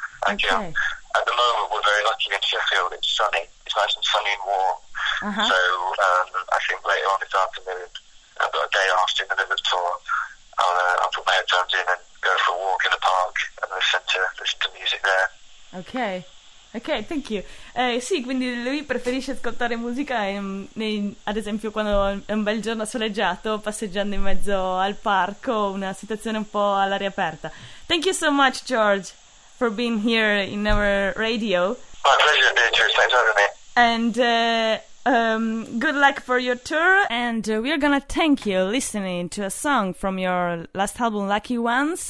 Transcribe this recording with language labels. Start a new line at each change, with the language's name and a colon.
English: At the moment, we're very lucky in Sheffield. It's sunny. It's nice and sunny and warm. So I think later on this afternoon, I've got a day off in the middle of the tour. I'll put my headphones in and go for a walk in the park and listen to music there. Ok, thank you.
Italian: Sì, quindi lui preferisce ascoltare musica ad esempio quando è un bel giorno soleggiato, passeggiando in mezzo al parco, una situazione un po' all'aria aperta.
English: Thank you so much, George, for being here in our radio. My pleasure, Beatrice. Thanks for having me. And good luck for your tour. And we are going to thank you listening to a song from your last album, Lucky Ones.